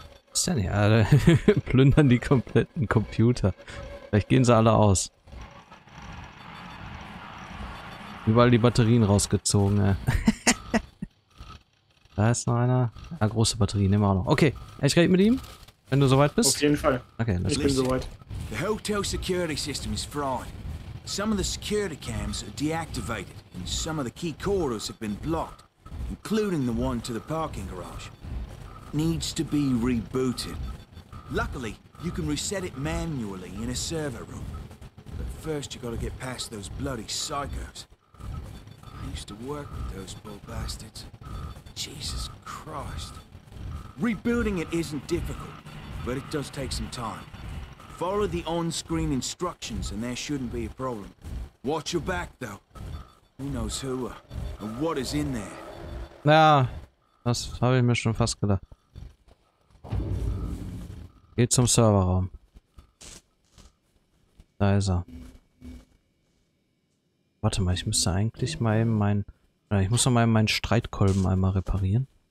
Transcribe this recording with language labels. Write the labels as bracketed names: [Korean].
[German] Was ist denn hier? Alle plündern die kompletten Computer. Vielleicht gehen sie alle aus. Überall die Batterien rausgezogen, ey. Da ist noch einer. Ah, große Batterie, nehmen wir auch noch. Okay, ich rede mit ihm, wenn du soweit bist. Auf jeden Fall. Okay, ich bin soweit. [English] The hotel security system is fried. Some of the security cams are deactivated and some of the key corridors have been blocked. Including the one to the parking garage. Needs to be rebooted. Luckily, you can reset it manually in a server room. But first you gotta get past those bloody psychos. I used to work with those poor bastards. Jesus Christ. Rebooting it isn't difficult, but it does take some time. Follow the on-screen instructions and there shouldn't be a problem. Watch your back though. Who knows who and what is in there? [German] Ja, das habe ich mir schon fast gedacht. Geh zum Serverraum. Da ist er. Warte mal, ich müsste eigentlich mal eben meinen Streitkolben einmal reparieren.